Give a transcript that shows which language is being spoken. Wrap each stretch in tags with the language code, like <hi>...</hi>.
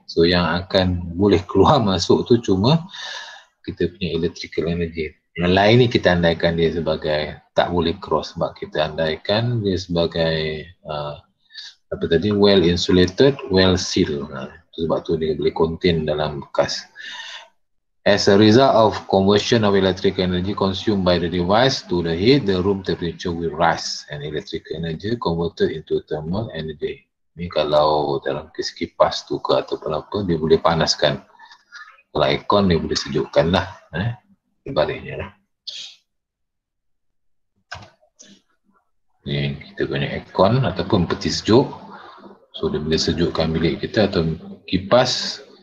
<ms>So yang akan boleh keluar masuk tu cuma kita punya electrical energy. Yang lain ni kita andaikan dia sebagai tak boleh cross, sebab kita andaikan dia sebagai apa tadi,</ms> <en>well insulated, well sealed.</en> <ms>Sebab tu dia boleh contain dalam bekas.</ms> <en>As a result of conversion of electrical energy consumed by the device to the heat, the room temperature will rise and electrical energy converted into thermal energy.</en> <ms>Ni kalau dalam kes kipas tu ke ataupun apa, dia boleh panaskan. Kalau aircon dia boleh sejukkan lah. Eh? Baliknya lah. Ni kita punya aircon ataupun peti sejuk. So dia boleh sejukkan bilik kita atau kipas.</ms>